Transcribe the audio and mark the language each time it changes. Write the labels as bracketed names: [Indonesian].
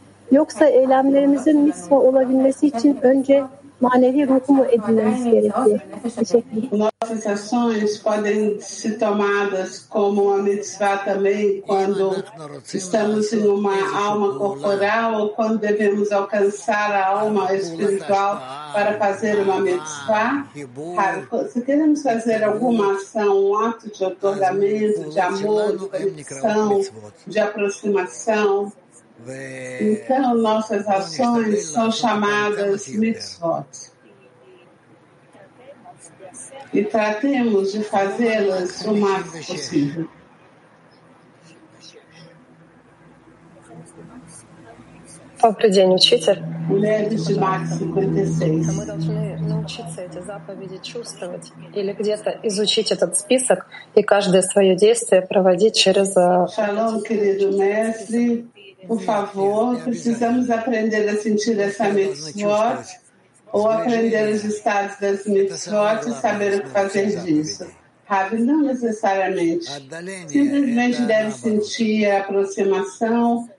[Turkish] Yoksa eylemlerimizin misva olabilmesi için önce manevi ruhu mu edinmemiz gerekiyor? [Portuguese] Nossas ações podem ser tomadas como uma mitzvah também quando estamos em uma alma corporal ou quando devemos alcançar a alma espiritual para fazer uma mitzvah? Se queremos fazer alguma ação, um ato de otorgamento, de amor, de conexão, de aproximação, então nossas ações são chamadas mitzvot e tratemos de fazê-las o máximo possível. [Russian] Добрый день, учитель. [Portuguese] Mulheres de Marte 56. [Russian] Мы должны научиться эти заповеди чувствовать или где-то изучить этот список и каждое свое действие проводить через... [Portuguese] Шалом, querido mestre. Por favor, precisamos aprender a sentir essa mitzvot ou aprender os estados das mitzvot e saber o que fazer disso. Rabi, não necessariamente. Simplesmente deve sentir a aproximação.